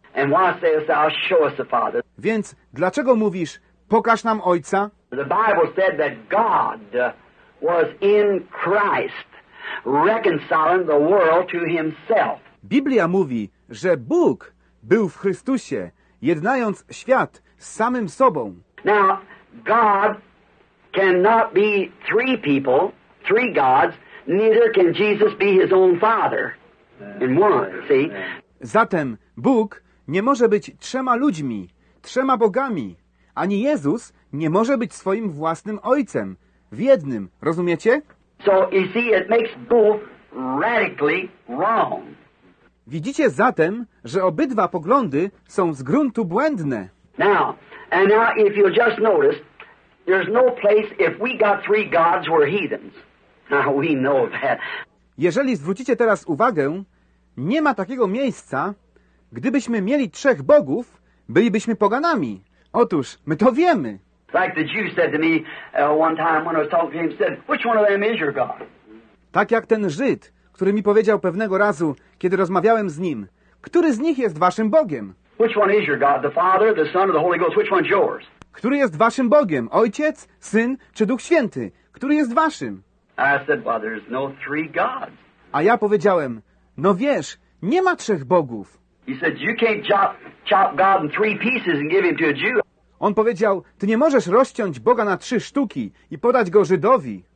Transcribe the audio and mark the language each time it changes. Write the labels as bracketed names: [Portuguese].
[English] And why sayest thou, show us the Father? [Polish] Więc dlaczego mówisz, pokaż nam Ojca? [English] The Bible said that God was in Christ, reconciling the world to himself. [Polish] Biblia mówi, że Bóg był w Chrystusie, jednając świat z samym sobą. [English] Now, God cannot be three people, three gods, neither can Jesus be his own father in one, see? [Polish] Zatem Bóg nie może być trzema ludźmi, trzema bogami, ani Jezus nie może być swoim własnym ojcem w jednym, rozumiecie? [English] So, you see, it makes both radically wrong. [Polish] Widzicie zatem, że obydwa poglądy są z gruntu błędne. [English] Now, and now if you'll just notice, there's no place if we got three gods we're heathens. Now we know that. [Polish] Jeżeli zwrócicie teraz uwagę, nie ma takiego miejsca, gdybyśmy mieli trzech bogów, bylibyśmy poganami. Otóż, my to wiemy. [English] Like the Jew said to me one time when I was talking to him, said, which one of them is your God? [Polish] Tak jak ten Żyd, który mi powiedział pewnego razu, kiedy rozmawiałem z nim, który z nich jest waszym Bogiem? [English] Which one is your God, the Father, the Son, or the Holy Ghost? Which one's yours? [Polish] Który jest waszym Bogiem, Ojciec, Syn czy Duch Święty? Który jest waszym? [English] I said, well, there's no three gods. [Polish] A ja powiedziałem, no wiesz, nie ma trzech bogów. [English] He said, you can't chop God in three pieces and give him to a Jew. [Polish] On powiedział, ty nie możesz rozciąć Boga na trzy sztuki i podać go Żydowi.